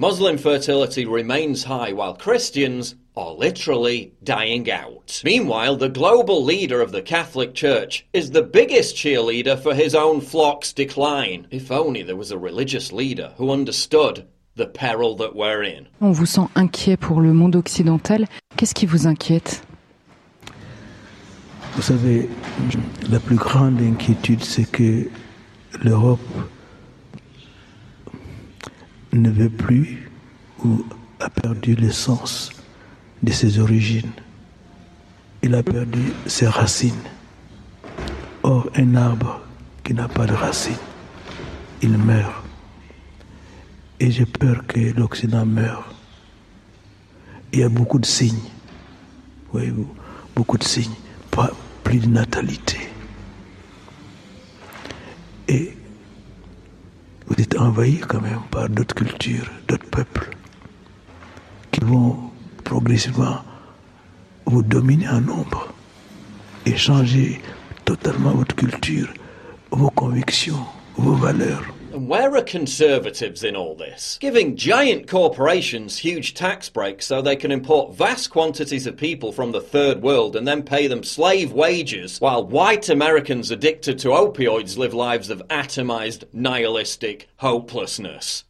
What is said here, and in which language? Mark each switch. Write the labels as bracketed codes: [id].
[en] Muslim fertility remains high while Christians are literally dying out. Meanwhile, the global leader of the Catholic Church is the biggest cheerleader for his own flock's decline. If only there was a religious leader who understood the peril that we're in. [fr] On vous sent inquiet pour le monde occidental. Qu'est-ce qui vous inquiète? Vous savez, la plus grande inquiétude, c'est que l'Europe ne veut plus ou a perdu le sens de ses origines. Il a perdu ses racines. Or, un arbre qui n'a pas de racines, il meurt. Et j'ai peur que l'Occident meure. Il y a beaucoup de signes, voyez-vous, beaucoup de signes, pas plus de natalité. Et vous êtes envahis quand même par d'autres cultures, d'autres peuples qui vont progressivement vous dominer en nombre et changer totalement votre culture, vos convictions, vos valeurs. [en] And where are conservatives in all this? Giving giant corporations huge tax breaks so they can import vast quantities of people from the third world and then pay them slave wages while white Americans addicted to opioids live lives of atomized, nihilistic hopelessness.